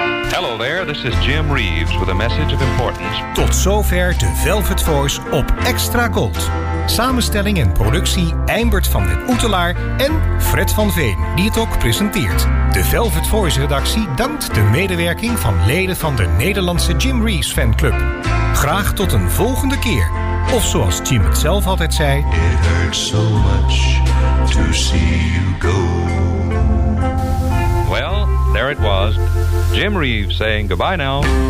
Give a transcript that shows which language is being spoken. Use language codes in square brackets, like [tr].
[en] Hello there, this is Jim Reeves with a message of importance. [nl] Tot zover de Velvet Voice op Extra Gold. Samenstelling en productie Eimbert van den Oetelaar en Fred van Veen, die het ook presenteert. De Velvet Voice-redactie dankt de medewerking van leden van de Nederlandse Jim Reeves fanclub. Graag tot een volgende keer. Of zoals Jim het zelf altijd zei... [en] It hurts so much to see you go. Well, there it was. Jim Reeves saying goodbye now.